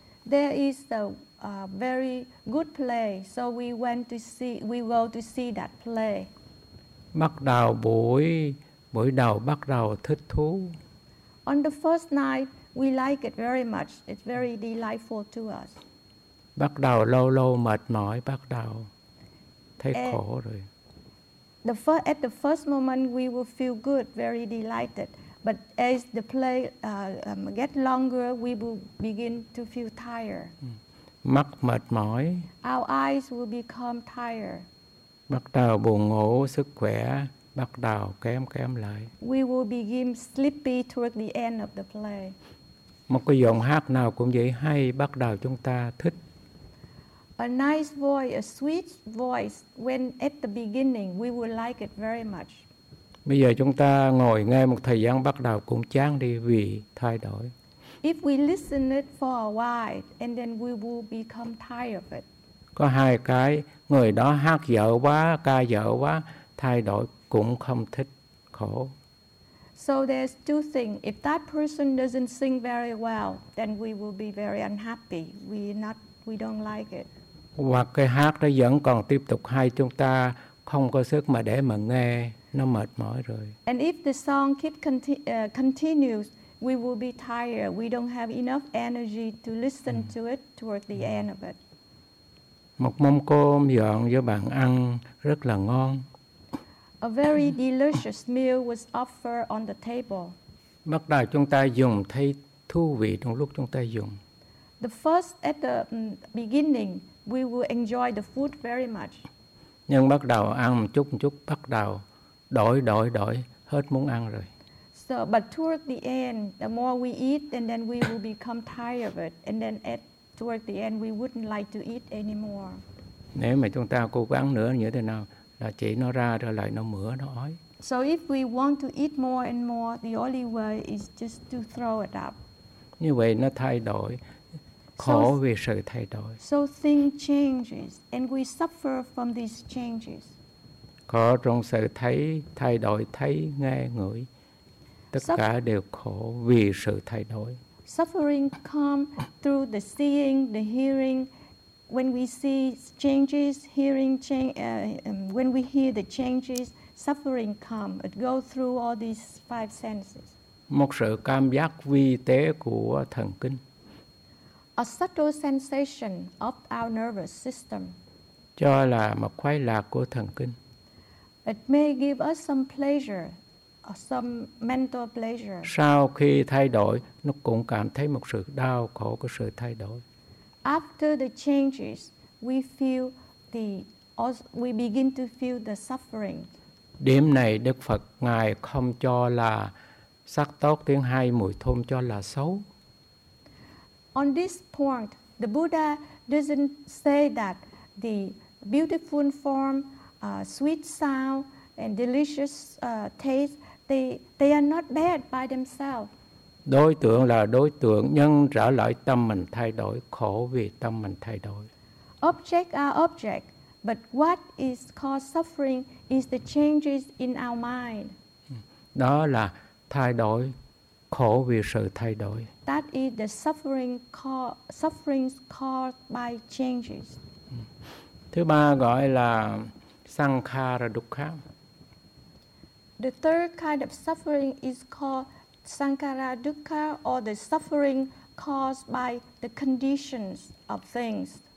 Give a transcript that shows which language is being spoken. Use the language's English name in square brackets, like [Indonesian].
[English] There is a very good play, so we went to see, we go to see that play. [Vietnamese] Bắt đầu buổi đầu bắt đầu thích thú. [English] On the first night, we like it very much. It's very delightful to us. [Vietnamese] Bắt đầu lâu lâu mệt mỏi, bắt đầu thấy khổ rồi. [English] At the first moment, we will feel good, very delighted. But as the play get longer, we will begin to feel tired. [Vietnamese] Mắt mệt mỏi. [English] Our eyes will become tired. [Vietnamese] Bắt đầu buồn ngủ, sức khỏe bắt đầu kém lại. [English] We will begin sleepy toward the end of the play. [Vietnamese] Một cái giọng hát nào cũng vậy, hay bắt đầu chúng ta thích. [English] A nice voice, a sweet voice, when at the beginning we would like it very much. [Vietnamese] Bây giờ chúng ta ngồi nghe một thời gian bắt đầu cũng chán đi vì thay đổi. [English] If we listen it for a while and then we will become tired of it. [Vietnamese] Có hai cái, người đó hát dở quá, ca dở quá, thay đổi cũng không thích, khổ. [English] So there's two things. If that person doesn't sing very well, then we will be very unhappy. We don't like it. [Vietnamese] Hoặc cái hát đó vẫn còn tiếp tục hay, chúng ta không có sức mà để mà nghe, nó mệt mỏi rồi. [English] And if the song keep continues, we will be tired. We don't have enough energy to listen to it toward the end of it. [Vietnamese] Một mâm cơm dọn cho bạn ăn rất là ngon. [English] A very delicious meal was offered on the table. [Vietnamese] Bắt đầu chúng ta dùng thấy thú vị trong lúc chúng ta dùng. [English] The first at the beginning, we will enjoy the food very much. [Vietnamese] Nhưng bắt đầu ăn một chút bắt đầu đổi hết muốn ăn rồi. [English] So, but toward the end, the more we eat, and then we will become tired of it, and then at toward the end, we wouldn't like to eat anymore. [Vietnamese] Nếu mà chúng ta cố gắng nữa như thế nào, là chỉ nó ra rồi lại nó mửa, nó ói. [English] So if we want to eat more and more, the only way is just to throw it up. [Vietnamese] Như vậy nó thay đổi, khổ vì sự thay đổi. [English] So things changes, and we suffer from these changes. [Vietnamese] Khổ trong sự thay đổi, thấy, nghe, ngửi. Tất cả đều khổ vì sự thay đổi. [English] Suffering comes through the seeing, the hearing. When we see changes, hearing change, when we hear the changes, suffering comes. It goes through all these five senses. [Vietnamese] Một sự cảm giác vi tế của thần kinh. [English] A subtle sensation of our nervous system. [Vietnamese] Cho là một khoái lạc của thần kinh. [English] It may give us some pleasure. Some mental pleasure. [Vietnamese] Sau khi thay đổi, nó cũng cảm thấy một sự đau khổ của sự thay đổi. [English] After the changes, we begin to feel the suffering. [Vietnamese] Điểm này Đức Phật ngài không cho là sắc tốt tiếng hay, mùi thơm cho là xấu. [English] On this point, the Buddha doesn't say that the beautiful form, sweet sound, and delicious taste. They are not bad by themselves. [Vietnamese] Đối tượng là đối tượng, nhân trở lại tâm mình thay đổi, khổ vì tâm mình thay đổi. [English] Object are object, but what is caused suffering is the changes in our mind. [Vietnamese] Đó là thay đổi, khổ vì sự thay đổi. [English] That is the sufferings caused by changes. [Vietnamese] Thứ ba gọi là sankhara dukkha. [English] The third kind of suffering is called sankhara dukkha, or the suffering caused by the conditions of things.